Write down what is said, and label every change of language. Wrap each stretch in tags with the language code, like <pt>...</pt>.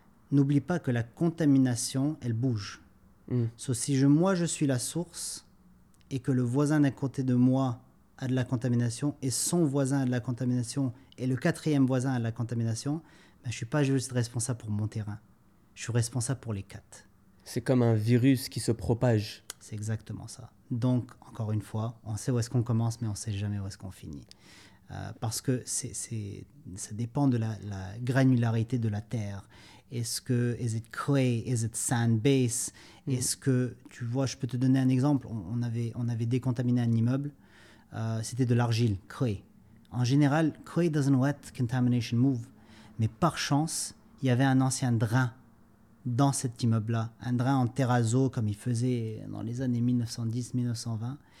<fr>N'oublie pas que la contamination, elle bouge. Sauf si moi, je suis la source et que le voisin d'à côté de moi a de la contamination et son voisin a de la contamination et le quatrième voisin a de la contamination, ben, je ne suis pas juste responsable pour mon terrain. Je suis responsable pour les quatre. C'est comme un virus qui se propage. C'est exactement ça. Donc, encore une fois, on sait où est-ce qu'on commence, mais on ne sait jamais où est-ce qu'on finit. Parce que ça dépend de la granularité de la terre. Est-ce que,</fr> <en>is it clay, is it sand base?</en> <fr>Est-ce que, tu vois, je peux te donner un exemple. On avait décontaminé un immeuble. C'était de l'argile, clay. En général,</fr> <en>clay doesn't let contamination move.</en> <fr>Mais par chance, il y avait un ancien drain dans cet immeuble-là, un drain en terrazzo comme il faisait dans les années 1910-1920.</fr>